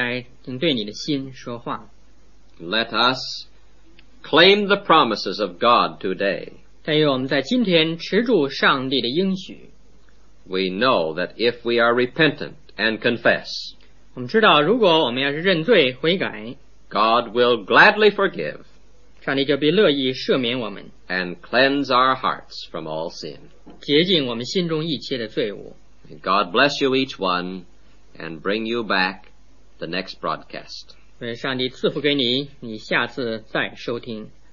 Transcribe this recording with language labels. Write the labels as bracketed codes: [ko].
[zh] 我深信圣灵现在正对你的心说话。 [en] Let us claim the promises of God today. [zh] 但愿我们在今天持住上帝的应许。 [en] We know that if we are repentant and confess, [zh] 我们知道如果我们要是认罪悔改, [en] God will gladly forgive, [zh] 上帝就必乐意赦免我们, [en] and cleanse our hearts from all sin. [zh] 洁净我们心中一切的罪恶。 [en] May God bless you each one and bring you back the next broadcast. [zh] 愿上帝赐福给你，你下次再收听。